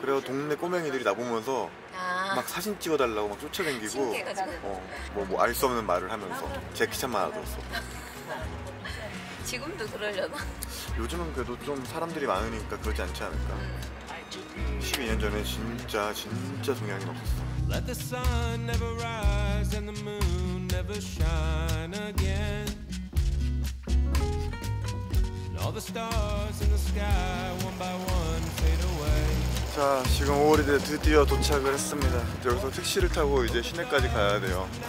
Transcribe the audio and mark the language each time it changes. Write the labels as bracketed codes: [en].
[ko] 그래서 동네 꼬맹이들이 나보면서 막 사진 찍어달라고 막 쫓아다니고 뭐 알 수 없는 말을 하면서 제 키참만 알아들었어. 지금도 그러려나? 요즘은 그래도 좀 사람들이 많으니까 그러지 않지 않을까. 12년 전에 진짜 동양인 없었어. [en] Let the sun never rise and the moon never shine again. And all the stars in the sky one by one fade away. [ko] 자 지금 오월이드에 드디어 도착을 했습니다. 여기서 택시를 타고 이제 시내까지 가야 돼요.